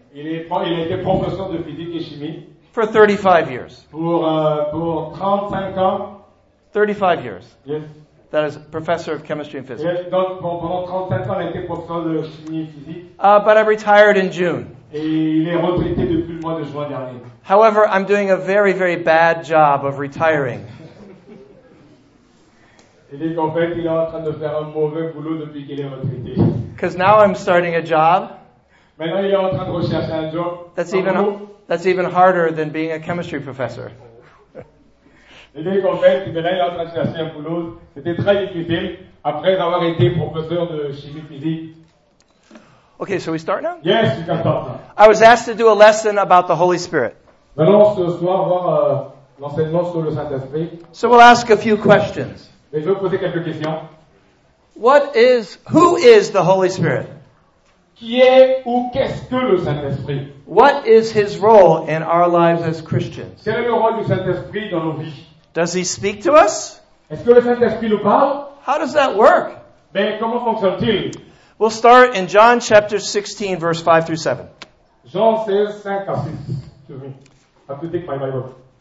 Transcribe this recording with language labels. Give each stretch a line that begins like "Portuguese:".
French: Il a été professeur de physique et chimie.
English: For 35 years.
French: Pour 35 ans.
English: 35 years. Yes. That is professor of chemistry and physics.
French: Et donc pendant 35 ans, il a été professeur de chimie et physique.
English: But I retired in June.
French: Et il est retraité depuis le mois de juin dernier.
English: However, I'm doing a very, very bad job of retiring.
French: Il dit qu'en fait, il est en train de faire un mauvais boulot depuis qu'il est retraité.
English: Because now I'm starting a job.
French: Maintenant, il est en train de rechercher un job.
English: That's even harder than being a chemistry professor.
French: Il dit qu'en fait, maintenant, il est en train de chercher un boulot. C'était très difficile après avoir été professeur de chimie physique.
English: Okay, so we start now? Yes, you can start now. I was asked to do a lesson about the Holy Spirit.
French: Maintenant, ce soir, voir l'enseignement sur le Saint-Esprit.
English: So we'll ask a few questions.
French: Mais je vais poser quelques questions.
English: Who is the Holy Spirit?
French: Qui est ou qu'est-ce que le Saint-Esprit?
English: What is his role in our lives as Christians?
French: Quel est le rôle du Saint-Esprit dans nos vies?
English: Does he speak to us?
French: Est-ce que le Saint-Esprit nous parle?
English: How does that work?
French: Ben, comment fonctionne-t-il?
English: We'll start in John chapter 16, verse 5 through 7.
French: Jean 16, 5 à 6.
English: Excuse me. I have to take my Bible.